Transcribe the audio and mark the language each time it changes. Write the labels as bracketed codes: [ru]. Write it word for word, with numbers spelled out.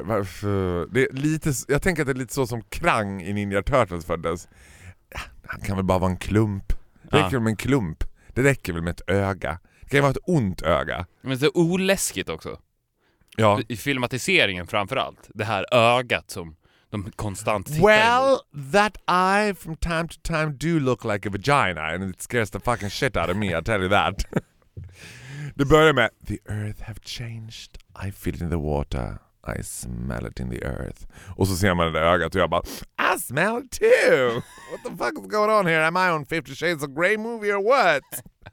[sv] Varför, det är lite, jag tänker att det är lite så som Krang i Ninja Turtles föddes. Ja, han kan väl bara vara en klump. Det räcker väl med en klump. Det räcker väl med ett öga. Det kan ju vara ett ont öga. Men det är oläskigt också. Ja. I filmatiseringen framförallt. Det här ögat som de konstant tittar [en] Well, [sv] emot. [en] That eye from time to time do look like a vagina and it scares the fucking shit out of me, I tell you that. [sv] Det börjar med [en] The earth have changed, I feel it in the water, I smell it in the earth. [sv] Och så ser man det där ögat och jag bara [en] I smell it too! What the fuck is going on here? Am I on fifty Shades of Grey movie or what?